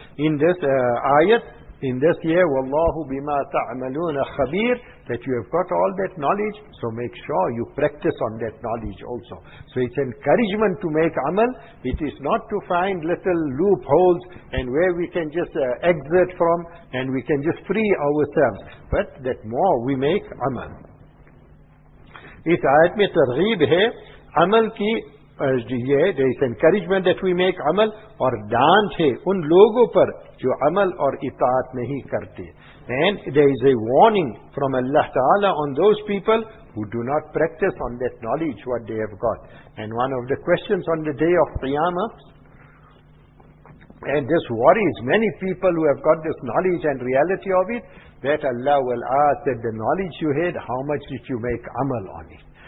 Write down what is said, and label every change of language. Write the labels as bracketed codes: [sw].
[en] In this ayat, in this year, [ar] wallahu bima ta'amaluna khabir, [en] that you have got all that knowledge, so make sure you practice on that knowledge also. So it's encouragement to make amal. It is not to find little loopholes and where we can just exit from and we can just free ourselves, but that more we make amal. [ur] اس آیت میں ترغیب ہے عمل کی یہ [en] there is encouragement that we make [ur] عمل اور ڈانٹ ہے ان لوگوں پر جو عمل اور اطاعت نہیں کرتے. [en] And there is a warning from Allah Ta'ala on those people who do not practice on that knowledge what they have got. And one of the questions on the day of Qiyamah, and this worries many people who have got this knowledge and reality of it, that Allah will ask that the knowledge you had, how much did you make amal on it?